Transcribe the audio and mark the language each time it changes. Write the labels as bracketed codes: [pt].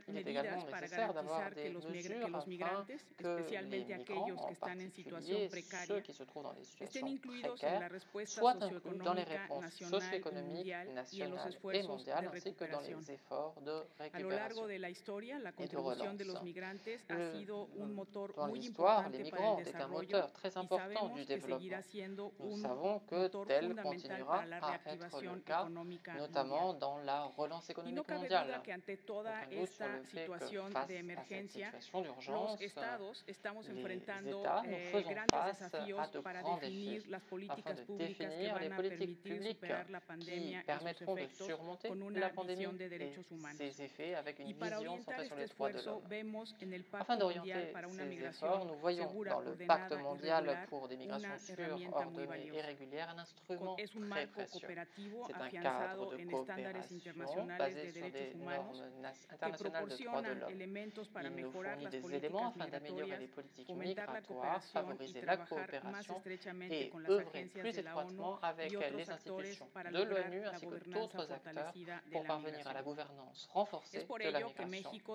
[fr] Il est également nécessaire d'avoir des mesures afin que les migrants, en particulier ceux qui se trouvent dans des situations précaires, soient inclus dans les réponses socio-économiques, nationales et mondiales, ainsi que dans les efforts de récupération et de relance. Dans l'histoire, les migrants ont été un moteur très important du développement. Nous savons que tel continuera à être le cas, notamment dans la relance économique mondiale. [es] Toda esta situación de emergencia, los estados estamos enfrentando grandes desafíos para definir las políticas públicas que van a permitir superar la pandemia y sus efectos con una visión de derechos humanos. Y para orientar este esfuerzo, vemos en el Pacto Mundial para una migración segura, ordenada y regular, una herramienta muy valiosa. Es un marco cooperativo afianzado en estándares internacionales de derechos humanos [fr] international de droits de l'homme. Il nous fournit des éléments afin d'améliorer les politiques migratoires, favoriser la coopération et œuvrer plus étroitement avec les institutions de l'ONU ainsi que d'autres acteurs pour parvenir à la gouvernance renforcée de la migration.